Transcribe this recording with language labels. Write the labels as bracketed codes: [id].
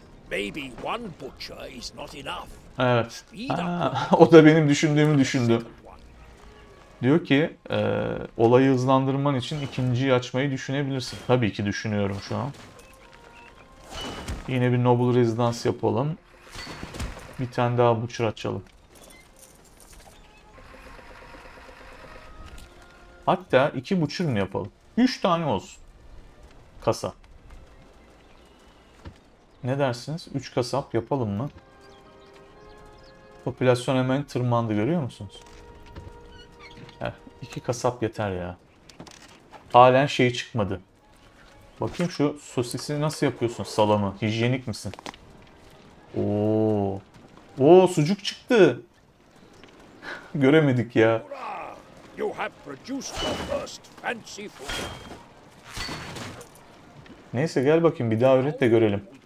[en] Maybe one butcher is not enough. [tr] Evet. Ha, o da benim düşündüğümü düşündü. Diyor ki olayı hızlandırman için ikinciyi açmayı düşünebilirsin. Tabii ki düşünüyorum şu an. Yine bir Noble Residence yapalım. Bir tane daha butcher açalım. Hatta iki butcher mi yapalım? 3 tane olsun. Kasap. Ne dersiniz? 3 kasap yapalım mı? Popülasyon hemen tırmandı, görüyor musunuz? Heh, 2 kasap yeter ya. Halen şey çıkmadı. Bakayım şu sosisi nasıl yapıyorsun, salamı? Hijyenik misin? Oo, sucuk çıktı. Göremedik ya. [en] You have produced the first fancy food. [tr] Neyse, gel bakayım bir daha öğret de görelim.